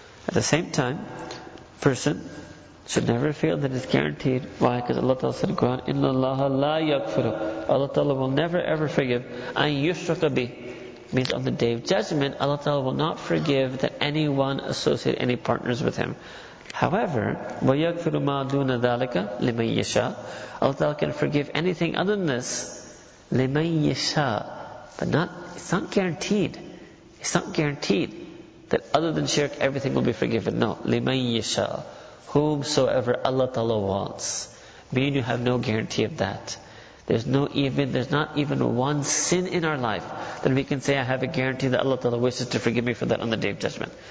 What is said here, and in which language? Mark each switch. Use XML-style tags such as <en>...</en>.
<en>At the same time, person should never feel that it's guaranteed. Why? Because Allah Ta'ala said in Quran,</en> <ar>Inna Allah la yaghfiru.</ar> <en>Allah Ta'ala will never ever forgive.</en> <ar>An yushraka bih.</ar> <en>Means on the day of judgment, Allah Ta'ala will not forgive that anyone associate any partners with Him. However,</en> <ar>وَيَغْفِرُ مَا دُونَ ذَلِكَ لِمَنْ يَشَاءُ.</ar> <en>Allah Ta'ala can forgive anything other than this.</en> <ar>لِمَنْ يَشَاءُ.</ar> <en>But not, it's not guaranteed. It's not guaranteed that other than shirk, everything will be forgiven. No.</en> <ar>لِمَنْ يَشَاءُ.</ar> <en>Whomsoever Allah Ta'ala wants. Meaning you have no guarantee of that. There's not even one sin in our life that we can say, I have a guarantee that Allah Ta'ala wishes to forgive me for that on the day of judgment.</en>